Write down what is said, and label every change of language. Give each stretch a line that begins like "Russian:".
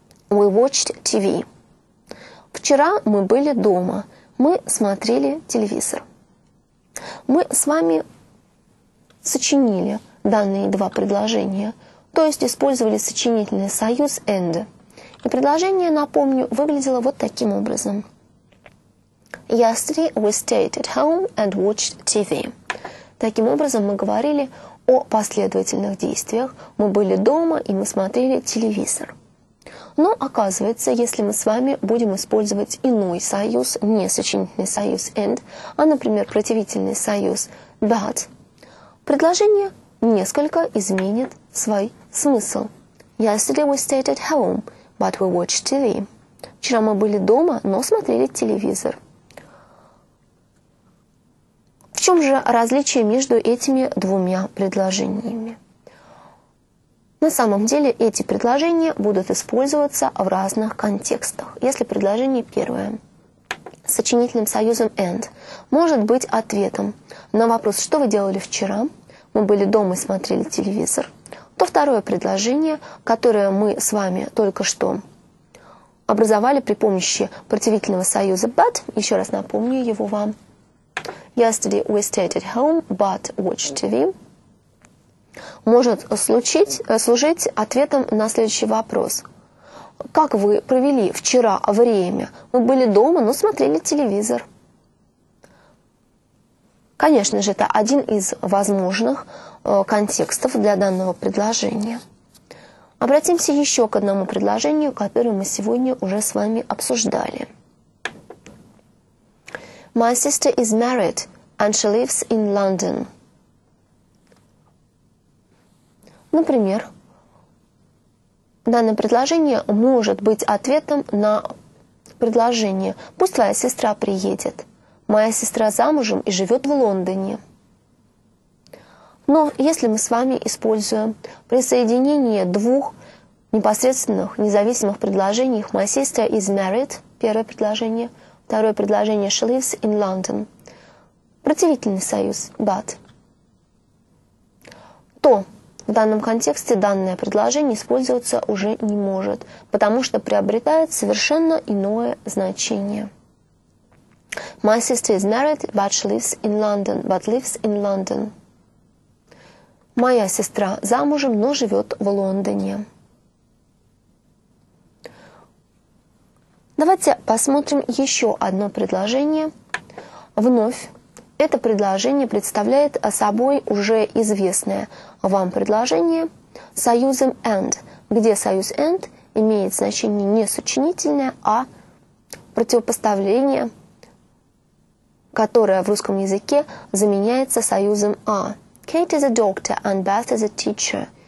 English: We watched TV.
Russian: Вчера мы были дома. Мы смотрели телевизор. Мы с вами сочинили данные два предложения, то есть использовали сочинительный союз and. И предложение, напомню, выглядело вот таким образом.
English: Yesterday we stayed at home and watched TV.
Russian: Таким образом, мы говорили о последовательных действиях. Мы были дома, и мы смотрели телевизор. Но, оказывается, если мы с вами будем использовать иной союз, не сочинительный союз «and», а, например, противительный союз «but», предложение несколько изменит свой смысл.
English: Yesterday we stayed at home, but we watched TV.
Russian: Вчера мы были дома, но смотрели телевизор. В чем же различие между этими двумя предложениями? На самом деле эти предложения будут использоваться в разных контекстах. Если предложение первое с сочинительным союзом «and» может быть ответом на вопрос «что вы делали вчера?» «Мы были дома и смотрели телевизор», то второе предложение, которое мы с вами только что образовали при помощи противительного союза «but», еще раз напомню его вам.
English: «Yesterday we stayed at home, but watched TV».
Russian: Может служить ответом на следующий вопрос. Как вы провели вчера время? Мы были дома, но смотрели телевизор. Конечно же, это один из возможных контекстов для данного предложения. Обратимся еще к одному предложению, которое мы сегодня уже с вами обсуждали.
English: My sister is married and she lives in London.
Russian: Например, данное предложение может быть ответом на предложение «Пусть твоя сестра приедет». «Моя сестра замужем и живет в Лондоне». Но если мы с вами используем присоединение двух непосредственных, независимых предложений
English: «My sister is married»
Russian: – первое предложение, второе предложение
English: «She lives in London»
Russian: – противительный союз «but», то в данном контексте данное предложение использоваться уже не может, потому что приобретает совершенно иное значение.
English: My sister is married, but she lives in London. But lives in London.
Russian: Моя сестра замужем, но живет в Лондоне. Давайте посмотрим еще одно предложение. Вновь. Это предложение представляет собой уже известное вам предложение союзом «and», где союз «and» имеет значение не сочинительное, а противопоставление, которое в русском языке заменяется союзом «а».
English: Kate is a doctor and Beth is a teacher.